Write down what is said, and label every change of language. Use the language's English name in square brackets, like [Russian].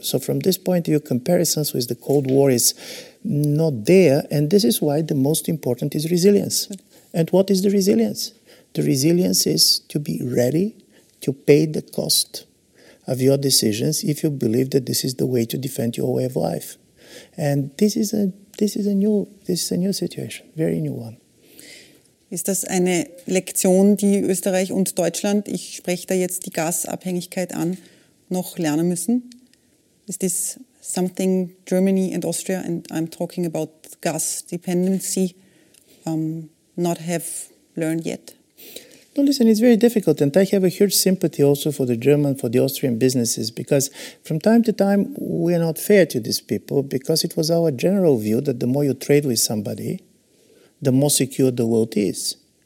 [English] So from this point of view, comparisons with the Cold War is not there, and this is why the most important is resilience. And what is the resilience? The resilience is to be ready to pay the cost of your decisions if you believe that this is the way to defend your way of life. And this is a new situation, very new one. [German] Ist das eine Lektion, die Österreich und Deutschland, ich spreche da jetzt die Gasabhängigkeit an, noch lernen müssen? [English] Is this something Germany and Austria, and I'm talking about gas dependency, not have learned yet? No, listen, it's very difficult, and I have a huge sympathy also for the German, for the Austrian businesses, because from time to time we are not fair to these people, because it was our general view that the more you trade with somebody, the more secure the world is.